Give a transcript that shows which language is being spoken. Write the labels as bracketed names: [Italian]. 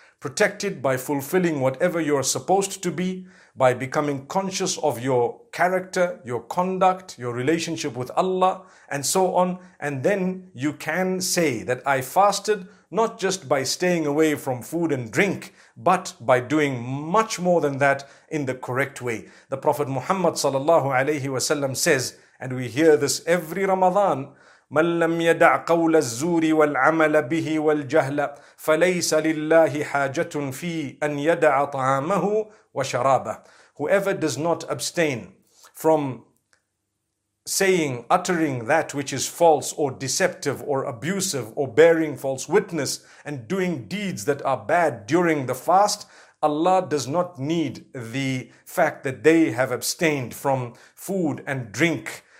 [English] protected by fulfilling whatever you are supposed to be, by becoming conscious of your character, your conduct, your relationship with Allah, and so on. And then you can say that I fasted not just by staying away from food and drink, but by doing much more than that in the correct way. The Prophet Muhammad sallallahu alayhi wa sallam says, and we hear this every Ramadan, [Arabic] مَنْ لَمْ يَدَعْ قَوْلَ الزُّورِ وَالْعَمَلَ بِهِ وَالْجَهْلَ فَلَيْسَ لِلَّهِ حَاجَةٌ فِي أَنْ يَدَعَ طَعَامَهُ وَشَرَابَهُ. [English] Whoever does not abstain from saying, uttering that which is false or deceptive or abusive or bearing false witness and doing deeds that are bad during the fast, Allah does not need the fact that they have abstained from food and drink.